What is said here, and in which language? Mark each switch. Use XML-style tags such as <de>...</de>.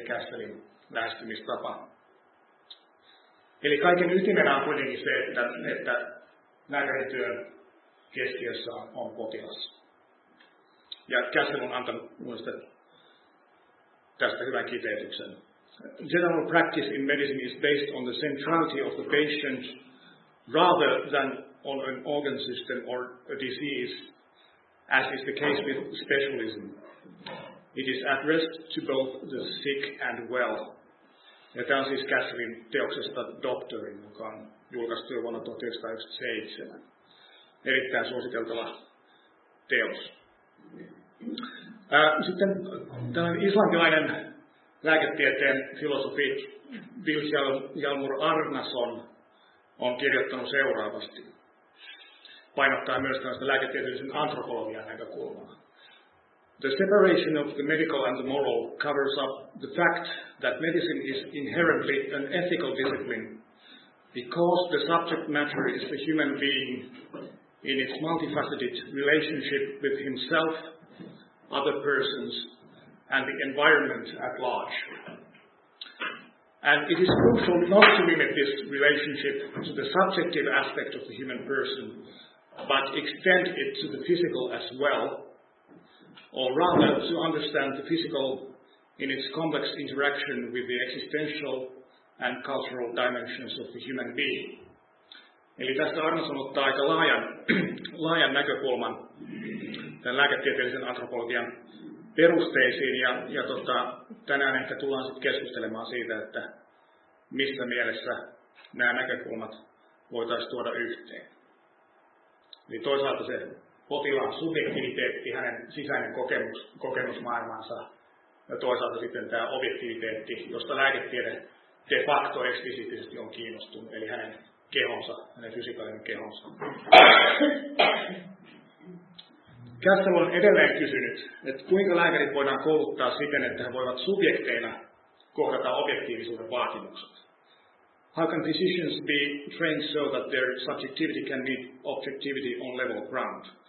<fi>Castellin lähestymistapa. Eli kaiken ytimenä on kuitenkin se, että lääkärityön keskiössä on potilas. Ja Castell on antanut muista tästä hyvän kiteytyksen</fi> <en>general practice in medicine is based on the centrality of the patient rather than on an organ system or a disease, as is the case with specialism. It is addressed to both the sick and well.</en> <fi>Ja tämä on siis Catherine Deoksesta Doctorin mukaan julkaistu vuonna 1997. Erittäin suositeltava teos. Sitten tällainen islantilainen lääketieteen filosofi Vilhjálmur Árnason on kirjoittanut seuraavasti. Painottaa myös tällaista lääketieteellisen antropologian näkökulmaa.</fi> <en>The separation of the medical and the moral covers up the fact that medicine is inherently an ethical discipline because the subject matter is the human being in its multifaceted relationship with himself, other persons, and the environment at large. And it is crucial not to limit this relationship to the subjective aspect of the human person, but extend it to the physical as well, or rather to understand the physical in its complex interaction with the existential and cultural dimensions of the human being.</en> <fi>Eli tästä Árnason ottaa aika laajan näkökulman tämän lääketieteellisen antropologian perusteisiin, ja tänään ehkä tullaan sitten keskustelemaan siitä, että missä mielessä nämä näkökulmat voitaisiin tuoda yhteen. Eli toisaalta se potilaan subjektiviteetti, hänen sisäinen kokemusmaailmansa, ja toisaalta sitten tämä objektiviteetti, josta lääketiede de facto eksplisiittisesti on kiinnostunut, eli hänen kehonsa, hänen fysikaalinen kehonsa. Castle on edelleen kysynyt, että kuinka lääkärit voidaan kouluttaa siten, että he voivat subjekteina kohdata objektiivisuuden vaatimukset.</fi> <en>How can physicians be trained so that their subjectivity can meet objectivity on level ground?</en>